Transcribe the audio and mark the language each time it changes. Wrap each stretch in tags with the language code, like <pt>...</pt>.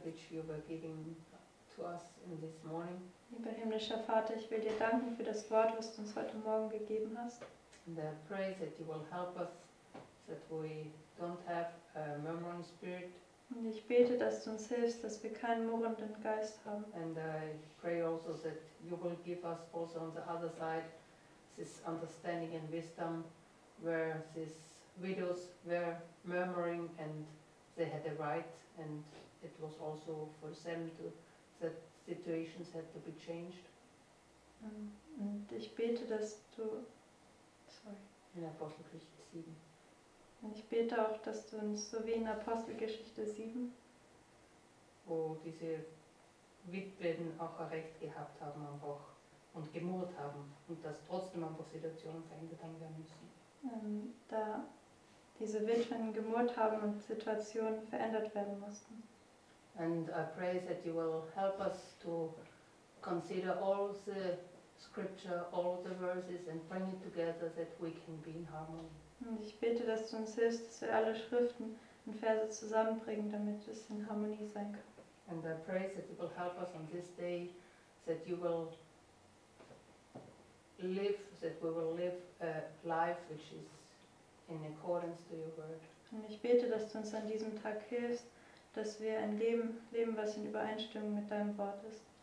<en>You were giving to us in this morning.</en> <de>Lieber himmlischer Vater, ich will dir danken für das Wort, was du uns heute Morgen gegeben hast.</de> <en>And I pray that you will help us, that we don't have a murmuring spirit.</en> <de>Und ich bete, dass du uns hilfst, dass wir keinen murrenden Geist haben.</de> <en>And I pray also that you will give us also on the other side this understanding and wisdom, where these widows were murmuring and they had a right and it was also for them to, that situations had to be changed.</en> <de>Und ich bete, dass du, sorry. In Apostelgeschichte 7. Und ich bete auch, dass du uns, so wie in Apostelgeschichte 7, wo diese Witwen auch ein Recht gehabt haben einfach und gemurrt haben und dass trotzdem einfach Situationen verändert haben werden müssen. Da diese Witwen gemurrt haben und Situationen verändert werden mussten.</de> <en>And I pray that you will help us to consider all the scripture, all the verses and bring it together that we can be in harmony.</en> <de>Und ich bete, dass du uns hilfst, dass wir alle Schriften und Verse zusammenbringen, damit es in Harmonie sein kann.</de> <en>And I pray that you will help us on this day, that you will live, that we will live a life which is in accordance to your word.</en> <de>Und ich bete, dass du uns an diesem Tag hilfst, dass wir ein Leben leben, was in Übereinstimmung mit deinem Wort ist.</de>